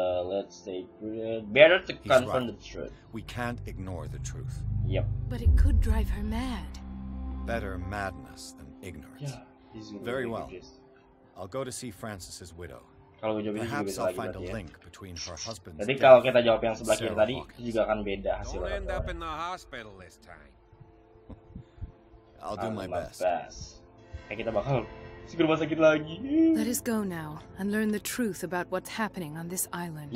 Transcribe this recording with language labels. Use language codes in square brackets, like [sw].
[en] Let's say better to confront the truth. We can't ignore the truth. Yep. But it could drive her mad. Better madness than ignorance. Yeah, very well. I'll go to see Francis's widow. [id] Kalau gue jawab [en] perhaps [id] ini juga [en] I'll [id] bisa lagi berarti ya. Jadi kalau kita jawab yang sebelah kiri tadi, itu juga akan beda hasilnya. [en] Don't end up in the hospital this time. I'll do my best. [id] Kayak kita bakal ke rumah sakit lagi. [en] Let us go now and learn the truth about what's happening on this island.